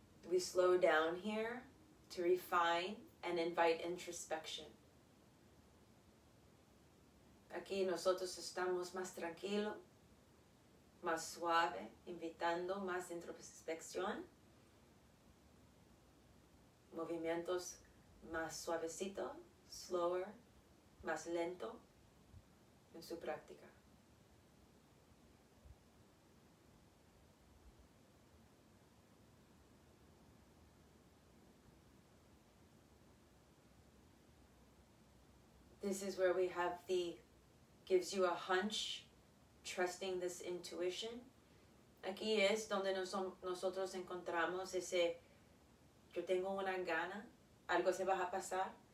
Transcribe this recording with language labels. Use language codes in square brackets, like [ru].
[en] We slow down here to refine and invite introspection. [es] Aquí nosotros estamos más tranquilo, más suave, invitando más introspección. Movimientos más suavecito, [en] slower, [es] más lento en su práctica. [en] This is where we have the gives you a hunch, trusting this intuition. [es] Aquí es donde nosotros encontramos ese, yo tengo una gana, algo se va a pasar.